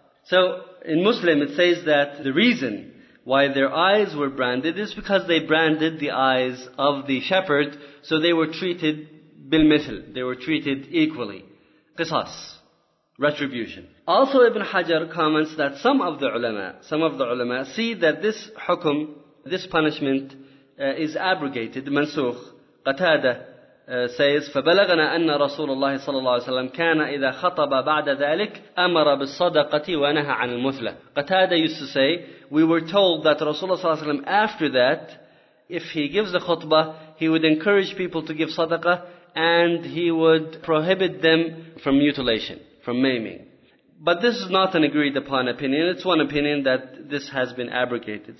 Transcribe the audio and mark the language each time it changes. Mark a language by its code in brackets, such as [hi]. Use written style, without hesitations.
[en] So in Muslim it says that the reason why their eyes were branded is because they branded the eyes of the shepherd, so they were treated bil mithl, they were treated equally. Qisas, retribution. Also Ibn Hajar comments that some of the ulama see that this hukum, this punishment, is abrogated, mansukh. Qatada says, [ar] فَبَلَغَنَا أَنَّ رَسُولَ اللَّهِ صَلَى اللَّهِ وَسَلَّمْ كَانَ إِذَا خَطَبَ بَعْدَ ذَلِكَ أَمَرَ بِالصَّدَقَةِ وَنَهَى عَنِ الْمُثْلَةِ. [en] Qatada used to say, we were told that Rasulullah صلى الله عليه وسلم, after that, if he gives the khutbah, he would encourage people to give sadaqah, and he would prohibit them from mutilation, from maiming. But this is not an agreed upon opinion. It's one opinion that this has been abrogated.